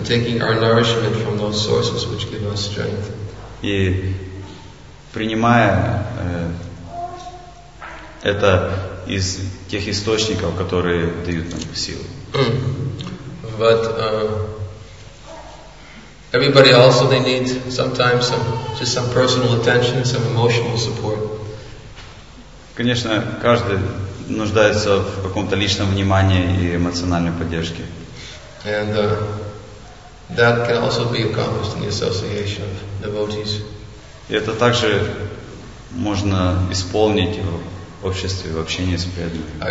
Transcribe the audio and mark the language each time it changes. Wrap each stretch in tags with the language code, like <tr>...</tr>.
<en>And taking our nourishment from those sources which give us strength.</en> <ru>И принимая это из тех источников, которые дают нам силу.</ru> <en>But everybody also they need sometimes some personal attention, some emotional support.</en> <ru>Конечно, каждый нуждается в каком-то личном внимании и эмоциональной поддержке.</ru> <en>And that can also be accomplished in the association of devotees.</en> <ru>И это также можно исполнить в обществе, в общении с преданными.</ru>